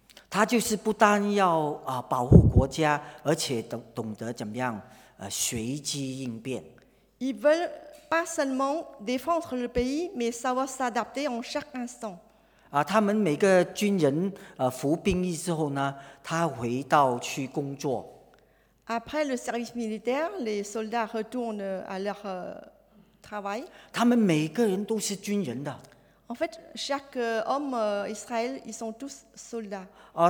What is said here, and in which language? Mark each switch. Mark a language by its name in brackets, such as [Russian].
[Chinese] 他就是不单要保护国家，而且懂得怎么样随机应变。 [French] Ils veulent pas seulement défendre le pays, mais savoir s'adapter en chaque instant. [Chinese] 他们每个军人服兵役之后呢，他回到去工作。 [French] Après le service militaire, les soldats retournent à leur travail. [Chinese] 他们每个人都是军人的。 [French] En fait, chaque homme Israël, ils sont tous soldats.